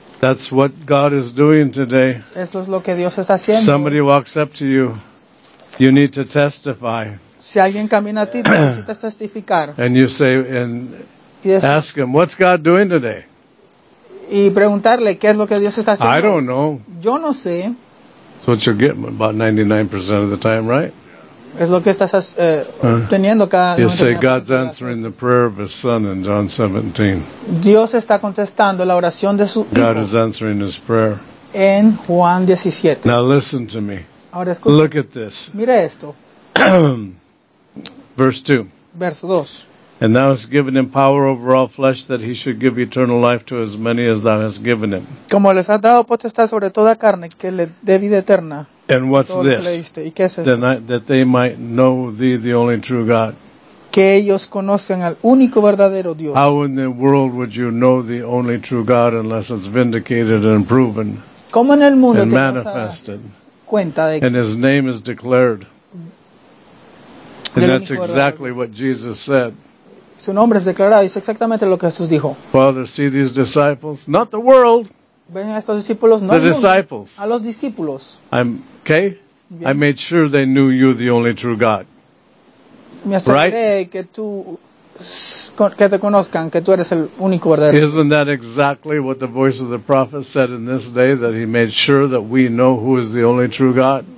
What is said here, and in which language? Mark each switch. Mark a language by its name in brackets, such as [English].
[English] That's what God is doing today. [Spanish] Esto es lo que Dios está haciendo. [English] Somebody walks up to you. You need to testify. [Spanish] Si alguien camina a ti, necesitas testificar. [English] And you say, and yes. Ask him, what's God doing today? [Spanish] Y preguntarle, ¿qué es lo que Dios está haciendo? [English] I don't know. [Spanish] Yo no sé. [English] That's what you're getting about 99% of the time, right? [Spanish] Es lo que estás teniendo cada [English] you say, God's answering the prayer of his son in John 17. [Spanish] Dios está contestando la oración de su hijo. [English] God is answering his prayer. [Spanish] En Juan 17. [English] Now listen to me. [Spanish] Ahora, [English] look at this. [Spanish] Mira esto. [English] Verse 2. And thou hast given him power over all flesh, that he should give eternal life to as many as thou hast given him. [Spanish] Como les has dado potestad sobre toda carne, que le dé vida eterna. [English] And what's this? [Spanish] ¿Y qué es esto? [English] That they might know thee, the only true God. [Spanish] Que ellos conocen al único verdadero Dios. [English] How in the world would you know the only true God unless it's vindicated and proven? [Spanish] ¿Cómo en el mundo [English] and manifested. And his name is declared. And that's exactly what Jesus said. [Spanish] Su nombre es declarado. Es exactamente lo que Jesús dijo. [English] Father, see these disciples. Not the world. [Spanish] Ven a estos discípulos. No [English] the disciples. [Spanish] A los discípulos. [English] I'm, okay? [Spanish] Bien. [English] I made sure they knew you, the only true God. [Spanish] Me aseguré [English] right? [Spanish] Que tú, que te conozcan, que tú eres el único verdadero. [English] Isn't that exactly what the voice of the prophet said in this day, that he made sure that we know who is the only true God?